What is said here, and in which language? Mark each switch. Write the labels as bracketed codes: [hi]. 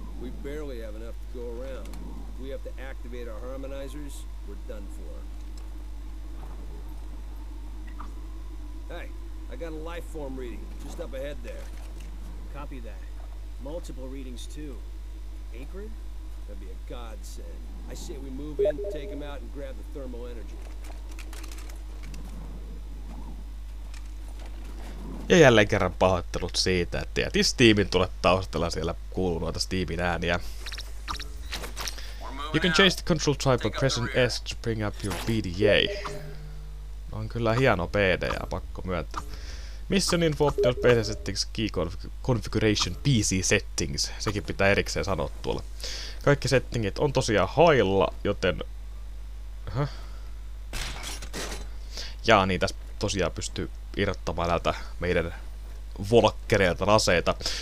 [en] We barely have enough to go around. If we have to activate our harmonizers, we're done for. Hey, I got a life form reading just up ahead there. Copy that. Multiple readings too. Aigrid? That'd be a godsend. I say we move in, take him out, and grab the thermal energy. [fi] Ja jälleen kerran pahoittelut siitä, että jätin Steamin tuolle taustalla, siellä kuuluu noita Steamin ääniä. [en] You can change the control type by pressing S to bring up your BDA. [fi] On kyllä hieno PDA, pakko myöntää. [en] Mission info optional PC settings, key configuration, PC settings. [fi] Sekin pitää erikseen sanoa tuolla. Kaikki settingit on tosiaan hailla, joten jaa, niin tässä tosiaan pystyy irrottamaan näiltä meidän volkkereilta aseita.